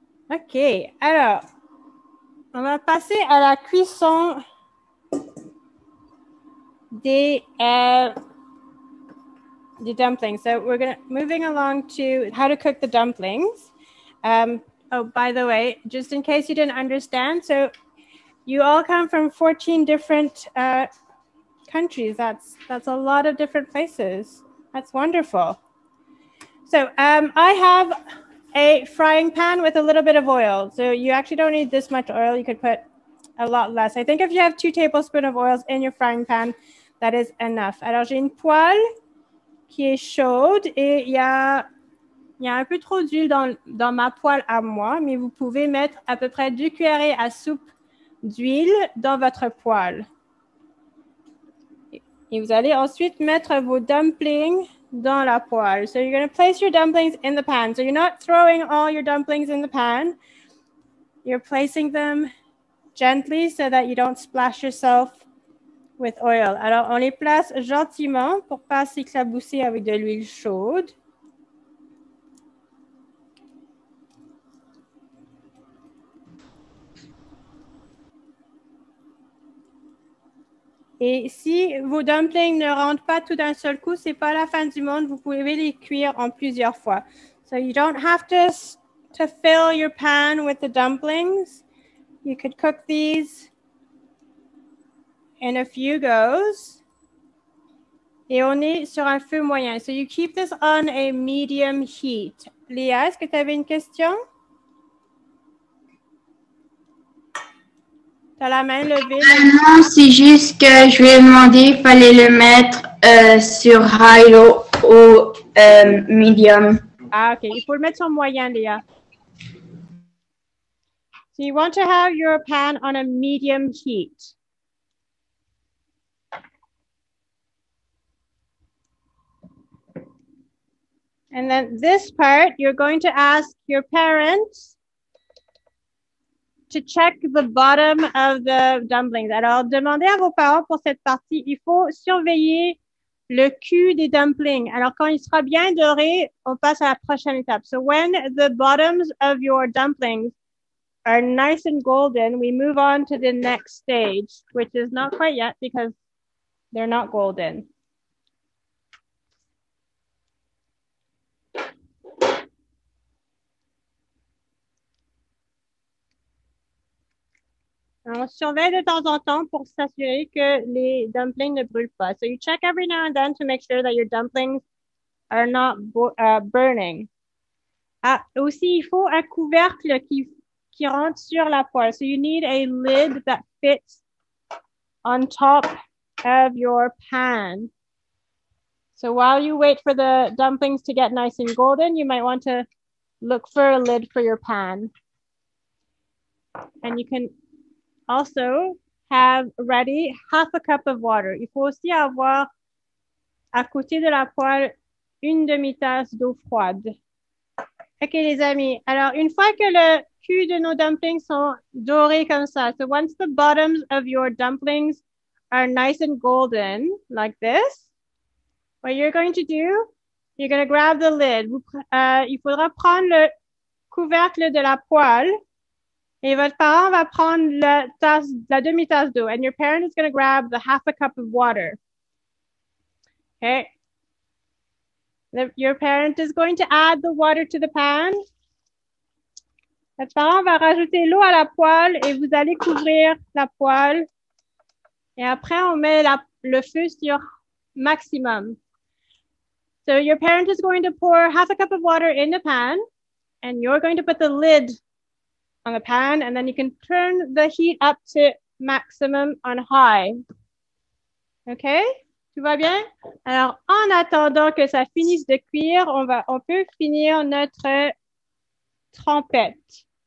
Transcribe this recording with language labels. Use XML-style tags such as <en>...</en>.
<fr>OK, alors, on va passer à la cuisson des dumplings.</fr> <en>So, we're moving along to how to cook the dumplings. Oh, by the way, just in case you didn't understand, so you all come from 14 different countries. That's a lot of different places. That's wonderful. So, I have a frying pan with a little bit of oil. So you actually don't need this much oil. You could put a lot less. I think if you have 2 tablespoons of oils in your frying pan, that is enough.</en> <fr>Alors, j'ai une poêle qui est chaude et il y a un peu trop d'huile dans ma poêle à moi, mais vous pouvez mettre à peu près 2 cuillerées à soupe d'huile dans votre poêle. Et vous allez ensuite mettre vos dumplings dans la poêle.</fr> <en>So you're going to place your dumplings in the pan. So you're not throwing all your dumplings in the pan. You're placing them gently so that you don't splash yourself with oil.</en> <fr>Alors, on les place gentiment pour ne pas s'éclabousser avec de l'huile chaude. Et si vos dumplings ne rentrent pas tout d'un seul coup, ce n'est pas la fin du monde. Vous pouvez les cuire en plusieurs fois.</fr> <en>So you don't have to fill your pan with the dumplings. You could cook these in a few goes.</en> <fr>Et on est sur un feu moyen.</fr> <en>So you keep this on a medium heat.</en> <fr>Léa, est-ce que tu avais une question? La main levée. Non, c'est juste que je lui ai demandé il fallait le mettre sur high low ou medium. Ah, OK. Il faut le mettre sur moyen, Léa.</fr> <en>So you want to have your pan on a medium heat. And then this part, you're going to ask your parents to check the bottom of the dumplings.</en> <fr>Alors, demandez à vos parents pour cette partie. Il faut surveiller le cul des dumplings. Alors, quand il sera bien doré, on passe à la prochaine étape.</fr> <en>So, when the bottoms of your dumplings are nice and golden, we move on to the next stage, which is not quite yet because they're not golden.</en> <fr>On surveille de temps en temps pour s'assurer que les dumplings ne brûlent pas.</fr> <en>So you check every now and then to make sure that your dumplings are not burning.</en> <fr>Ah, aussi, il faut un couvercle qui rentre sur la poêle.</fr> <en>So you need a lid that fits on top of your pan. So while you wait for the dumplings to get nice and golden, you might want to look for a lid for your pan. And you can also have ready 1/2 cup of water.</en> <fr>Il faut aussi avoir à côté de la poêle une demi-tasse d'eau froide. OK, les amis. Alors, une fois que le cul de nos dumplings sont dorés comme ça,</fr> <en>so once the bottoms of your dumplings are nice and golden, like this, what you're going to do, you're going to grab the lid.</en> <fr>Il faudra prendre le couvercle de la poêle. Et votre parent va prendre la demi-tasse d'eau.</fr> <en>And your parent is going to grab the 1/2 cup of water. Okay. Your parent is going to add the water to the pan.</en> <fr>Votre parent va rajouter l'eau à la poêle et vous allez couvrir la poêle. Et après, on met le feu sur maximum.</fr> <en>So your parent is going to pour half a cup of water in the pan and you're going to put the lid on the pan and then you can turn the heat up to maximum on high.</en> <fr>OK? Tout va bien? Alors, en attendant que ça finisse de cuire, on peut finir notre trompette.</fr>